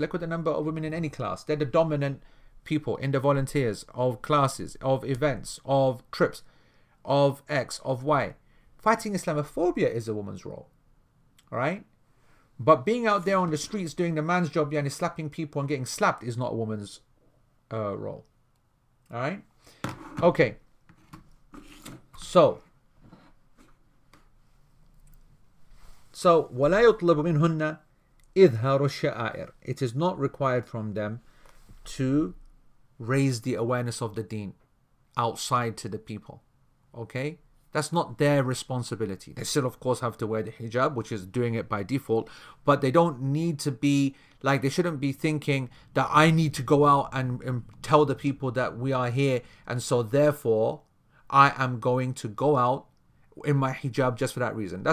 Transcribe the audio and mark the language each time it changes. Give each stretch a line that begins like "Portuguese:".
English: Look at the number of women in any class. They're the dominant people in the volunteers of classes, of events, of trips, of X, of Y. Fighting Islamophobia is a woman's role, all right? But being out there on the streets doing the man's job, yeah, and slapping people and getting slapped is not a woman's role, all right? Okay, so
Arabic: ولا يطلب منهن إظهار الشعائر.
English: It is not required from them to raise the awareness of the deen outside to the people. Okay, that's not their responsibility. They still, of course, have to wear the hijab, which is doing it by default, but they don't need to be like, they shouldn't be thinking that I need to go out and tell the people that we are here, and so therefore I am going to go out in my hijab just for that reason.